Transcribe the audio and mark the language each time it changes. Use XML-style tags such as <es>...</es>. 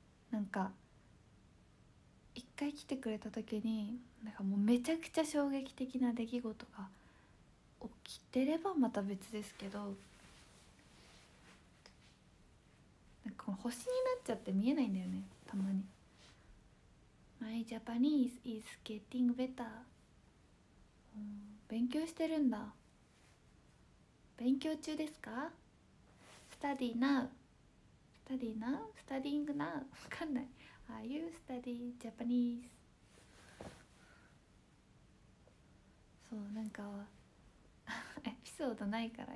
<ja>なんか一回来てくれた時に、なんかもうめちゃくちゃ衝撃的な出来事が起きてればまた別ですけど、なんかこの星になっちゃって見えないんだよね、たまに。</ja> <en>My Japanese is getting better。</en> <ja>勉強してるんだ。勉強中ですか。</ja> <en>Study now。 Study now? Studying now?</en> <ja>わかんない。</ja> <en>Are you studying Japanese?</en> <ja>そう、なんかエピソードないから。</ja>